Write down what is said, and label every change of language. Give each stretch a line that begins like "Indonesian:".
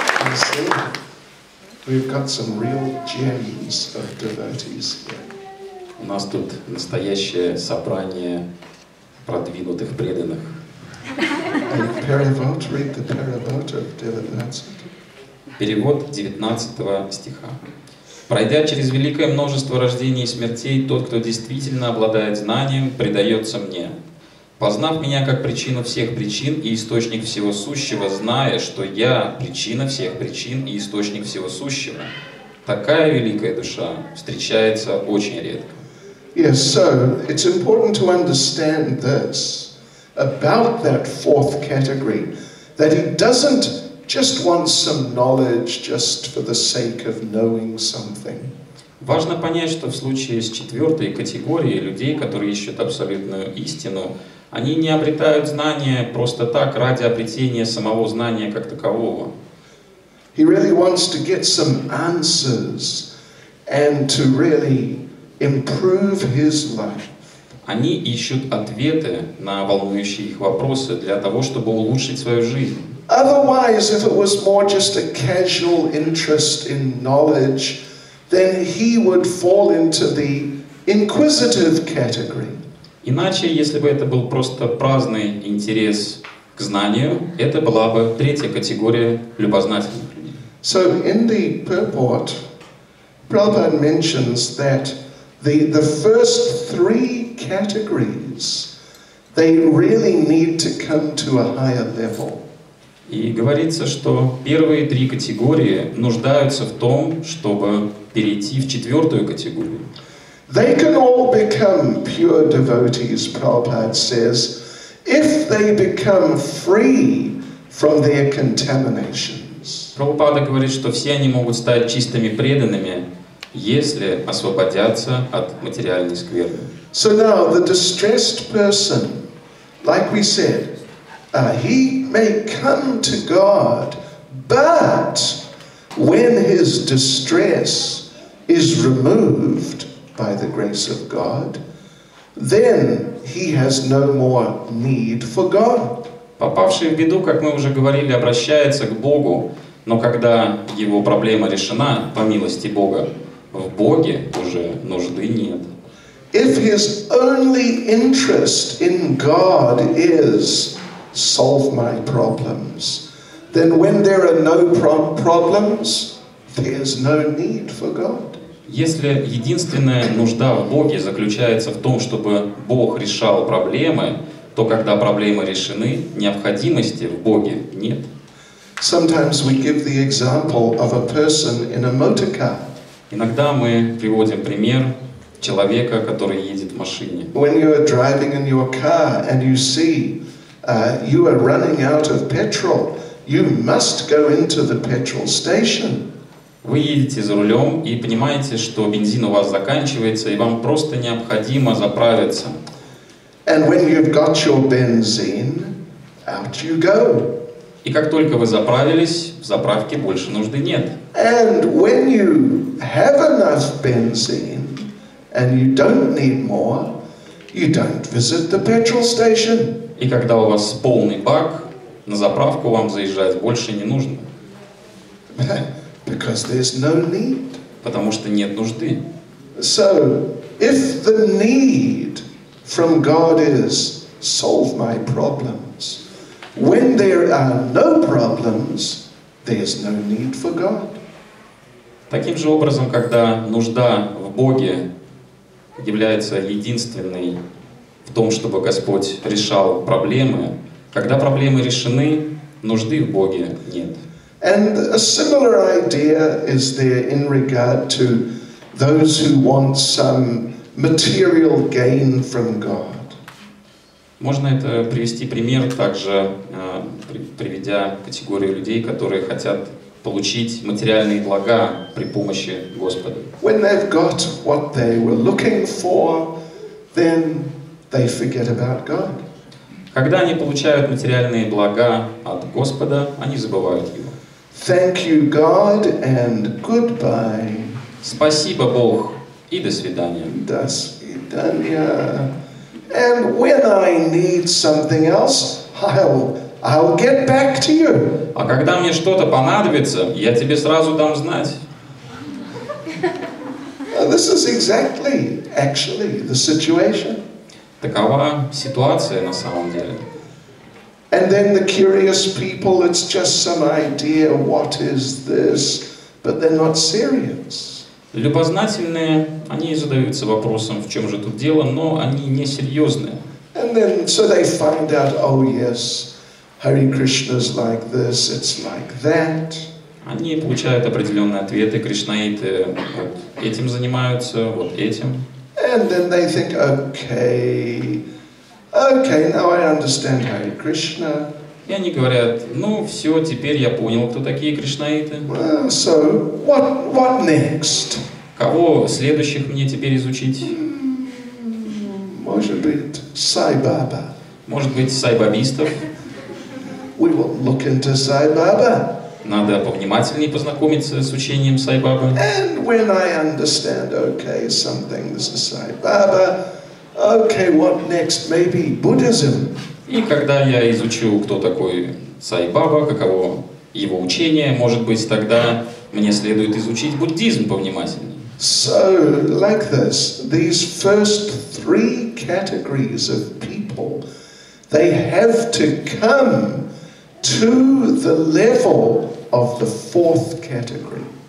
English: You see, we've got some real gems of devotees here.
Russian: У нас тут настоящее собрание продвинутых преданных. Перевод,
English: read the
Russian: перевод
English: of
Russian: 19. Перевод 19 стиха. Пройдя через великое множество рождений и смертей, тот, кто действительно обладает знанием, предается мне. Познав меня как причину всех причин и источник всего сущего, зная, что я причина всех причин и источник всего сущего, такая великая душа встречается очень редко.
English: Yes, so it's important to understand this about that fourth category, that he doesn't just want some knowledge just for the sake of knowing something.
Russian: Важно понять, что в случае с четвертой категорией людей, которые ищут абсолютную истину, они не обретают знания просто так, ради обретения самого знания как такового.
English: He really wants to get some answers and to really improve his life.
Russian: Они ищут ответы на волнующие их вопросы для того, чтобы улучшить свою жизнь.
English: Otherwise, if it was more just a casual interest in knowledge, then he would fall into the inquisitive category.
Russian: Иначе, если бы это был просто праздный интерес к знанию, это была бы третья категория любознательных людей.
English: So in the purport, Prabhupada mentions that the first three categories, they really need to come to a higher level.
Russian: И говорится, что первые три категории нуждаются в том, чтобы перейти в четвертую категорию.
English: They can all become pure devotees, Prabhupada says, if they become free from their contaminations.
Russian: Прабхупада говорит, что все они могут стать чистыми преданными, если освободятся от материальной скверны.
English: So now the distressed person, like we said, he may come to God, but when his distress is removed by the grace of God, then he has no more need for God.
Russian: Попавший в беду, как мы уже говорили, обращается к Богу, но когда его проблема решена по милости Бога, в Боге уже нужды нет.
English: If his only interest in God is solve my problems, then when there are no problems, there's no need for God.
Russian: Если единственная нужда в Боге заключается в том, чтобы Бог решал проблемы, то когда проблемы решены, необходимости в Боге нет.
English: Sometimes we give the example of a person in a motor car.
Russian: Иногда мы приводим пример человека, который едет в машине.
English: When you are driving in your car and you see you are running out of petrol, you must go into the petrol station.
Russian: Вы едете за рулем и понимаете, что бензин у вас заканчивается, и вам просто необходимо заправиться.
English: And when you've got your benzene, out you go.
Russian: И как только вы заправились, в заправке больше нужды нет.
English: And when you have enough benzene, and you don't need more, you don't visit the petrol station.
Russian: И когда у вас полный бак, на заправку вам заезжать больше не нужно.
English: Because there's no need.
Russian: Потому что нет нужды.
English: So, if the need from God is solve my problems. When there are no problems, there's no need for God.
Russian: Таким же образом, когда нужда в Боге является единственной в том, чтобы Господь решал проблемы, когда проблемы решены, нужды в Боге нет.
English: And a similar idea is there in regard to those who want some material gain from God.
Russian: Можно это привести пример также, приведя категории людей, которые хотят получить материальные блага при помощи Господа.
English: When they've got what they were looking for, then they forget about God.
Russian: Когда они получают материальные блага от Господа, они забывают его.
English: Thank you, God, and goodbye.
Russian: Спасибо, Бог, и до свидания. До свидания.
English: And when I need something else, I'll get back to you.
Russian: А когда мне что-то понадобится, я тебе сразу дам знать.
English: This is exactly, actually, the situation.
Russian: Такова ситуация на самом деле.
English: And then the curious people, it's just some idea, what is this? But they're not serious.
Russian: Любознательные, они задаются вопросом, в чем же тут дело, но они не серьезные.
English: And then, so they find out, oh yes, Hare Krishna's like this, it's like that.
Russian: Они получают определенные ответы, кришнаиты вот этим занимаются, вот этим.
English: And then they think, okay, now I understand Hare Krishna.
Russian: И они говорят, ну все, теперь я понял, кто такие кришнаиты.
English: So, what next?
Russian: Кого следующих мне теперь изучить? Может быть, Сай Баба. Может быть, Сай Бабистов.
English: We will look into Sai Baba.
Russian: Надо повнимательнее познакомиться с учением Сай Бабы.
English: And when I understand, okay, something, this is Сай Баба. Okay, what next? Maybe Buddhism.
Russian: И когда я изучу, кто такой Сай Баба, каково его учение, может быть, тогда мне следует изучить буддизм повнимательнее.
English: So, like this, these first three categories of people, they have to come to the level of the fourth category.